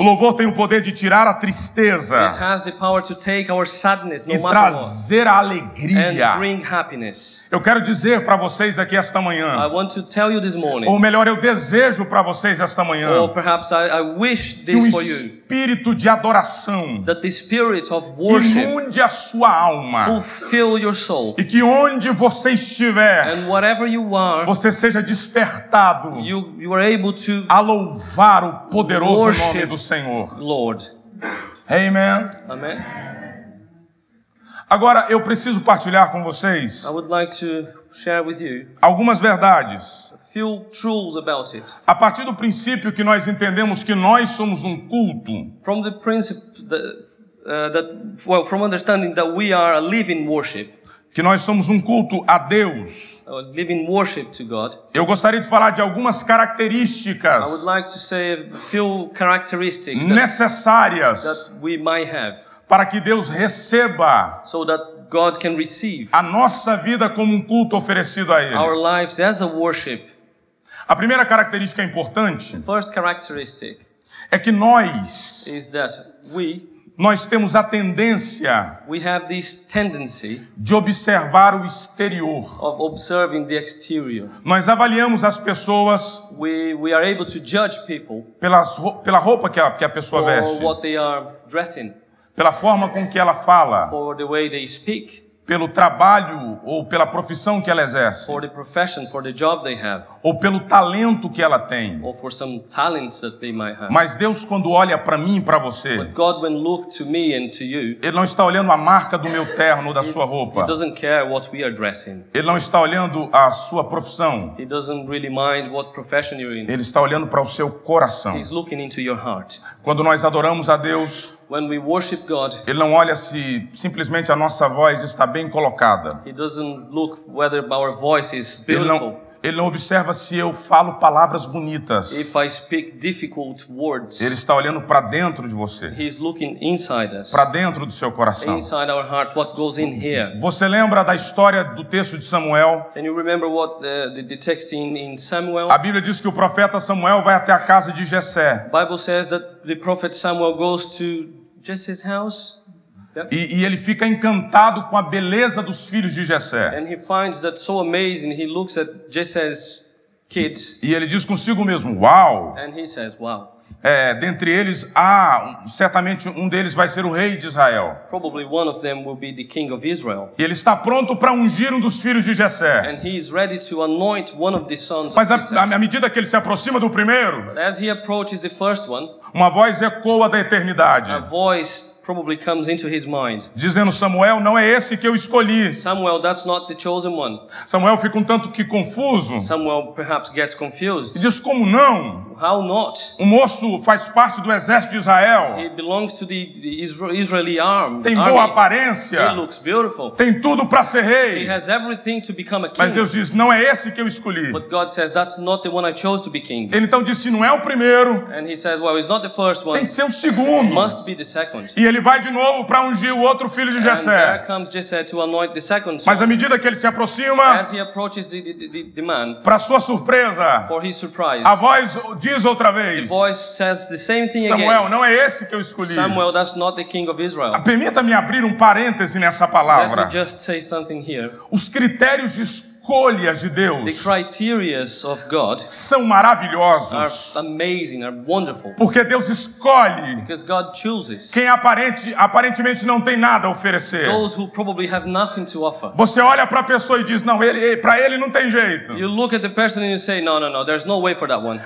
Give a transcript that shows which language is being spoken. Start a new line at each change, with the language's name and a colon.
Portuguese: O louvor tem o poder de tirar a tristeza.
English: It has the power to take our sadness,
Portuguese: e trazer a alegria.
English: And bring happiness.
Portuguese: Eu quero dizer para vocês aqui esta manhã.
English: I want to tell you this morning.
Portuguese: Ou melhor, eu desejo para vocês esta manhã.
English: Or perhaps I wish this for you.
Portuguese: Espírito de adoração,
English: that the spirit of worship,
Portuguese: inunde a sua alma,
English: fulfill your soul,
Portuguese: e que onde você estiver,
English: and wherever you are,
Portuguese: você seja despertado,
English: you are able to
Portuguese: a louvar o poderoso nome do Senhor.
English: Lord.
Portuguese: Amen.
English: Amen.
Portuguese: Agora eu preciso partilhar com vocês,
English: I would like to share with you,
Portuguese: algumas verdades.
English: Feel truths about it.
Portuguese: A partir do princípio que nós entendemos que nós somos culto.
English: From the principle that, well, from understanding that we are a living worship.
Portuguese: Que nós somos culto a Deus.
English: A living worship to God.
Portuguese: Eu gostaria de falar de algumas características.
English: I would like to say a few characteristics.
Portuguese: Necessárias.
English: That we might have.
Portuguese: Para que Deus receba.
English: So that God can receive.
Portuguese: A nossa vida como culto oferecido a Ele.
English: Our lives as a worship.
Portuguese: A primeira característica importante,
English: the first characteristic,
Portuguese: é que nós,
English: is that we,
Portuguese: nós temos a tendência,
English: we have this tendency,
Portuguese: de observar o exterior.
English: Of observing the exterior.
Portuguese: Nós avaliamos as pessoas,
English: we are able to judge people,
Portuguese: pela roupa que a pessoa
English: or
Portuguese: veste,
English: what they are dressing,
Portuguese: pela forma com que ela fala,
English: or the way they speak,
Portuguese: pelo trabalho ou pela profissão que ela exerce.
English: For the profession, for the job they have.
Portuguese: Ou pelo talento que ela tem.
English: Or for some talents that they might have.
Portuguese: Mas Deus, quando olha para mim e para você,
English: but God, when look to me and to you,
Portuguese: Ele não está olhando a marca do meu terno ou da sua roupa.
English: He doesn't care what we are dressing.
Portuguese: Ele não está olhando a sua profissão.
English: He doesn't really mind what profession you're in.
Portuguese: Ele está olhando para o seu coração.
English: He's looking into your heart.
Portuguese: Quando nós adoramos a Deus,
English: when we worship God,
Portuguese: Ele não olha se simplesmente a nossa voz está bem colocada.
English: He doesn't look whether our voice is beautiful.
Portuguese: Ele não observa se eu falo palavras bonitas.
English: If I speak difficult words,
Portuguese: Ele está olhando para dentro de você.
English: He's looking inside us.
Portuguese: Para dentro do seu coração.
English: Inside our heart, what goes in here.
Portuguese: Você lembra da história do texto de Samuel?
English: Can you remember what the text in Samuel?
Portuguese: A Bíblia diz que o profeta Samuel vai até a casa de Jessé.
English: Bible says that the prophet Samuel goes to Jesse's house. Yep.
Portuguese: E ele fica encantado com a beleza dos filhos de Jessé.
English: And he finds that so amazing. He looks at Jesse's kids.
Portuguese: E ele diz consigo mesmo, uau.
English: And he says, wow.
Portuguese: É, dentre eles, certamente um deles vai ser o rei de Israel.
English: Probably one of them will be the king of Israel.
Portuguese: E ele está pronto para ungir um dos filhos de Jessé.
English: And he is ready to anoint one of the sons.
Portuguese: Mas à medida que ele se aproxima do primeiro,
English: but as he approaches the first one,
Portuguese: uma voz ecoa da eternidade.
English: A voice probably comes into his mind.
Portuguese: Dizendo, Samuel, não é esse que eu escolhi.
English: Samuel, that's not the chosen one.
Portuguese: Samuel fica um tanto que confuso.
English: Samuel perhaps gets confused.
Portuguese: E diz, como não?
English: How not?
Portuguese: O moço faz parte do exército de Israel.
English: He belongs to the Israeli army.
Portuguese: Tem boa aparência.
English: He looks beautiful.
Portuguese: Tem tudo para ser rei.
English: He has everything to become a king.
Portuguese: Mas Deus diz, não é esse que eu escolhi.
English: But God says, that's not the one I chose to be king.
Portuguese: Ele então disse, não é o primeiro.
English: And he says, well, it's not the first one.
Portuguese: Tem que ser o segundo.
English: It must be the second.
Portuguese: E ele vai de novo para ungir o outro filho de Jessé.
English: And there comes Jesse to anoint the second son.
Portuguese: Mas à medida que ele se aproxima,
English: as he approaches the man,
Portuguese: para sua surpresa,
English: for his surprise,
Portuguese: a voz diz outra vez,
English: the voice says the same thing
Portuguese: Samuel,
English: again.
Portuguese: Não é esse que eu escolhi.
English: Samuel, that's not the king of Israel.
Portuguese: Permita-me abrir um parêntese nessa palavra.
English: Let me just say something here.
Portuguese: Os critérios de escolhas de Deus,
English: the criteria of God,
Portuguese: são maravilhosos.
English: Are amazing, are wonderful.
Portuguese: Porque Deus escolhe,
English: because God chooses,
Portuguese: quem aparentemente não tem nada a oferecer.
English: Those who probably have nothing to offer.
Portuguese: Você olha para a pessoa e diz, não, para ele não tem jeito.
English: You look at the person and you say, no, there's no way for that one.